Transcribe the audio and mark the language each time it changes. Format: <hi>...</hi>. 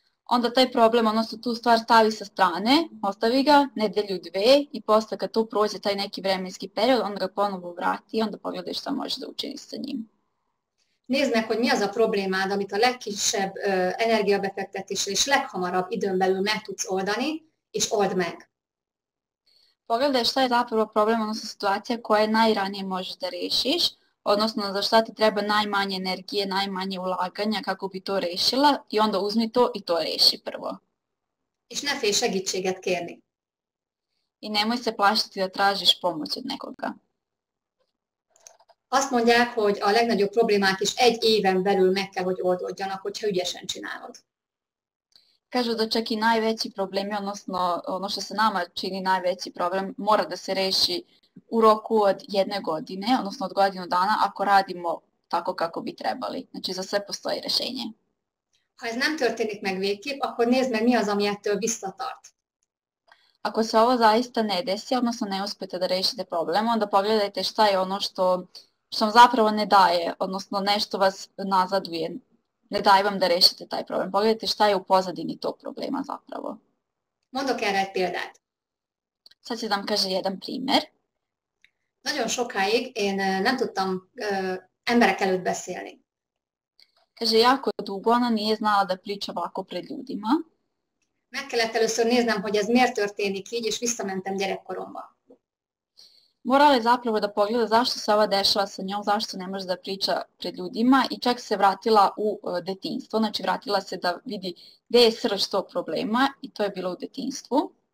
<sr>Onda taj problem, odnosno tu stvar stavi sa strane, ostavi ga nedelju dve i posle kad to prođe taj neki vremenski period, onda ga ponovo vrati i onda pogledaj šta možeš da učiniš sa njim.</sr> <hu>Nézne, hogy mi az a problémád, amit a legkisebb energiabefektetésre és leghamarabb időn belül meg tudsz oldani, és old meg.</hu> <sr>Pogledaj šta je zapravo problem, odnosno situacija koja najranije možeš da rešiš, odnosno za šta ti treba najmanje energije, najmanje ulaganja kako bi to rešila i onda uzmi to i to reši prvo.</sr> <hu>És ne félj segítséget kérni.</hu> <sr>I nemoj se plašiti da tražiš pomoć od nekoga.</sr> <hu>Azt mondják, hogy a legnagyobb problémák is egy éven belül meg kell, hogy oldódjanak, hogyha ügyesen csinálod.</hu> <sr>Kažu da čak i najveći problemi, odnosno ono što se nama čini najveći problem, mora da se reši u roku od jedne godine, odnosno od godinu dana, ako radimo tako kako bi trebali. Znači, za sve postoji rešenje.</sr> <hu>Ha ez nem történik meg végképp, akkor nézd meg, mi az, ami ettől visszatart.</hu> <sr>Ako se ovo zaista ne desi, odnosno ne uspete da rešite problem, onda pogledajte šta je ono što vam zapravo ne daje, odnosno nešto vas nazaduje. Ne daj vam da rešite taj problem. Pogledajte šta je u pozadini tog problema zapravo.</sr> <hu>Mondok erre egy példát.</hu> <sr>Sad će da vam kaže jedan primer.</sr> <hu>Nagyon sokáig én nem tudtam emberek előtt beszélni.</hu> <sr>Kaže, jako dugo ona nije znala da priča ovako pred ljudima.</sr> <hu>Meg kellett először néznem, hogy ez miért történik így, és visszamentem gyerekkoromba.</hu> <sr>Morala je zapravo da pogleda zašto se ova dešava sa njom, zašto ne može da priča pred ljudima i čak se vratila u detinjstvo, znači vratila se da vidi gde je srž tog problema i to je bilo u detinjstvu.</sr>